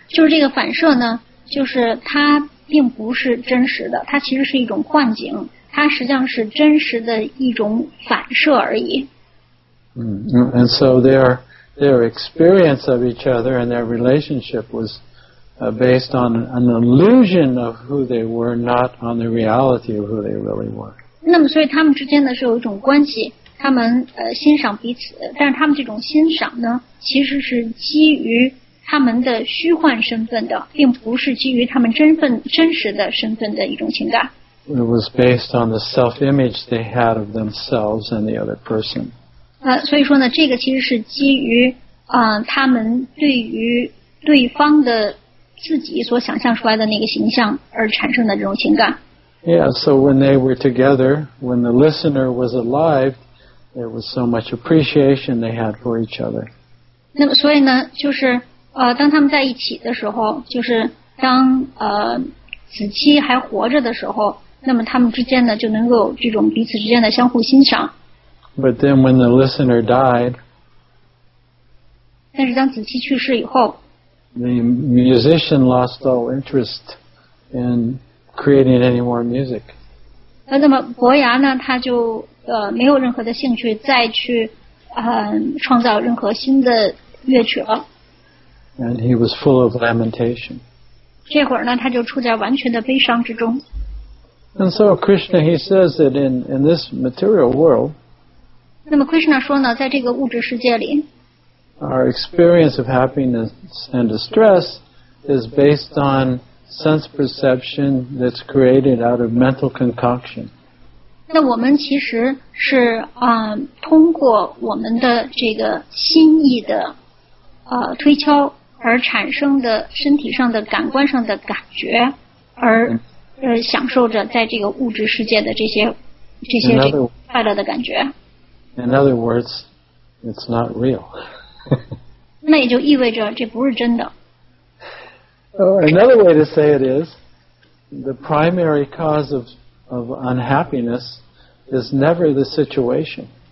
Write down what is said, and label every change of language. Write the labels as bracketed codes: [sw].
[zh] 就是这个反射呢，就是它并不是真实的，它其实是一种幻境，它实际上是真实的一种反射而已。 [en] And so there. Their experience of each other and their relationship was based on an illusion of who they were, not on the reality of who they really were. [zh] 那么所以他们之间呢是有一种关系，他们欣赏彼此，但是他们这种欣赏呢其实是基于他们的虚幻身份的，并不是基于他们真实的身份的一种情感。 [en] It was based on the self-image they had of themselves and the other person. [zh] 所以说呢，这个其实是基于他们对于对方的自己所想象出来的那个形象而产生的这种情感。 [en] Yeah, so when they were together, when the listener was alive, there was so much appreciation they had for each other. [zh] 那么所以呢，就是当他们在一起的时候，就是当子期还活着的时候，那么他们之间呢就能够这种彼此之间的相互欣赏。 [en] But then when the listener died, [zh] 但是当子期去世以后, [en] the musician lost all interest in creating any more music. [zh] 那么伯牙呢他就没有任何的兴趣再去创造任何新的乐曲了。 [en] And he was full of lamentation. [zh] 这会儿呢他就处在完全的悲伤之中。 [en] And so Krishna, he says that in this material world, [zh] 那么 Krishna 说呢，在这个物质世界里 [en] ，Our experience of happiness and distress is based on sense perception that's created out of mental concoction. [zh] 那我们其实是通过我们的这个心意的推敲而产生的身体上的感官上的感觉而享受着在这个物质世界的这些快乐的感觉。 [en] In other words, it's not real. [zh] 那也就意味着这不是真的。 [en] Another way to say it is, the primary cause of unhappiness is never the situation.